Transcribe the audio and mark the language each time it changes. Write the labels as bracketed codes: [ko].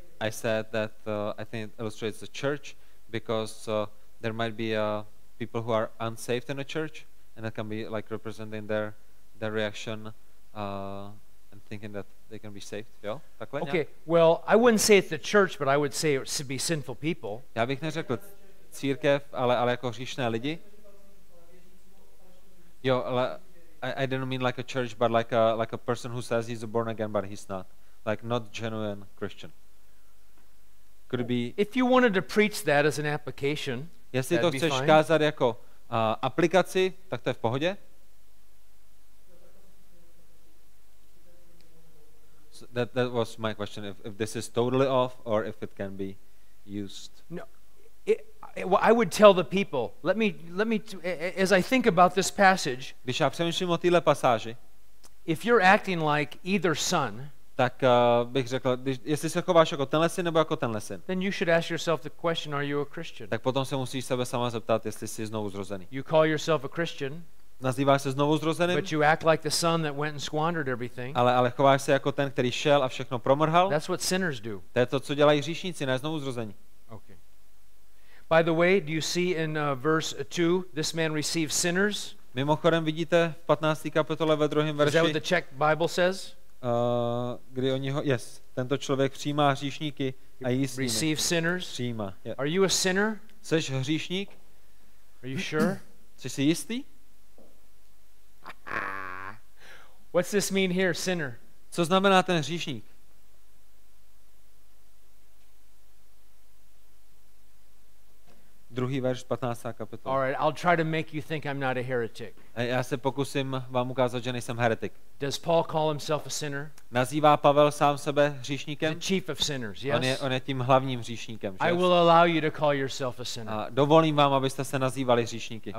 [en] And my answer was that I think it illustrates the church because there might be people who are unsaved in a church and that can be like representing their reaction and thinking that they can be saved. [cs] Jo? Takhle, okay. Ne? [en] Well, I wouldn't say it's the church, but I would say it should be sinful people. [cs] Já bych neřekl církev, ale jako hříšné lidi. Jo, ale [en] I didn't mean like a church, but like a person who says he's a born again, but he's not, like not genuine Christian. Could it be? If you wanted to preach that as an application, [cs] jestli to chceš kázat jako aplikaci, tak to je v pohodě. [en] So that was my question. If this is totally off, or if it can be used. No. I would tell the people. Let me. As I think about this passage, [cs] když já přemýšlím o téhle pasáži, [en] if you're acting like either son, [cs] tak bych řekl, jestli se chováš jako tenhle syn nebo jako tenhle syn, [en] then you should ask yourself the question: Are you a Christian? [cs] Tak potom se musíš sebe sama zeptat, jestli jsi znovu zrozený. [en] You call yourself a Christian. [cs] Nazýváš se znovu zrozeným? [en] But you act like the son that went and squandered everything. [cs] Ale chováš se jako ten, který šel a všechno promrhal. [en] That's what sinners do. [cs] To je to, co dělají hříšníci, ne znovu zrození. [en] Okay. By the way, do you see in verse 2 this man receives sinners? [cs] Mimochodem vidíte v 15. kapitole ve druhém verši. [en] Is that what the Czech Bible says? [cs] Kdy o něho, yes, tento člověk přijímá hříšníky a jí s nimi. [en] Receive sinners? [cs] Přijímá. Yeah. [en] Are you a sinner? [cs] Seš hříšník? [en] Are you sure? [cs] Jsi si jistý? [en] What's this mean here, sinner? [cs] Co znamená ten hříšník? Druhý verš 15. kapitola. [en] All right, I'll try to make you think I'm not a heretic. [cs] Já se pokusím vám ukázat, že nejsem heretik. [en] Does Paul call himself a sinner? [cs] Nazývá Pavel sám sebe hříšníkem? [en] The chief of sinners, yes. [cs] On je tím hlavním hříšníkem, že? [en] I will allow you to call yourself a sinner. [cs] Dovolím vám, abyste se nazývali hříšníky.